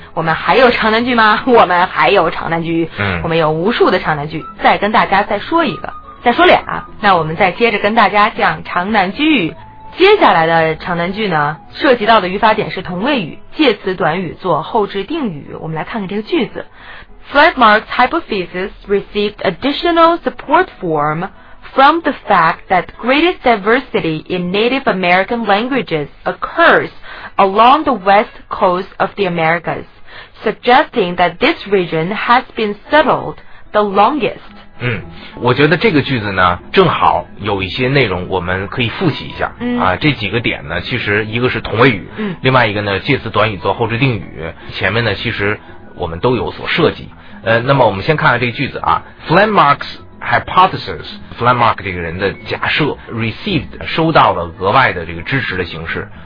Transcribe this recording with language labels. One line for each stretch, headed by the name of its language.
Chinese: 我们还有长难句吗？我们还有长难句，嗯，我们有无数的长难句，再跟大家再说一个，再说俩，那我们再接着跟大家讲长难句。接下来的长难句呢，涉及到的语法点是同位语、介词短语做后置定语。我们来看看这个句子。
English: Flagmark's hypothesis received additional support form from the fact that greatest diversity in Native American languages occurs along the west coast of the Americas, suggesting that this region has been settled the longest.
Chinese: 嗯，我觉得这个句子呢，正好有一些内容我们可以复习一下，嗯，啊，这几个点呢，其实一个是同位语，嗯，另外一个呢，介词短语做后置定语，前面呢，其实我们都有所涉及。那么我们先看看这个句子啊。
English: Flanmark's hypothesis，
Chinese: Flanmark 这个人的假设， received 收到了额外的这个支持的形式。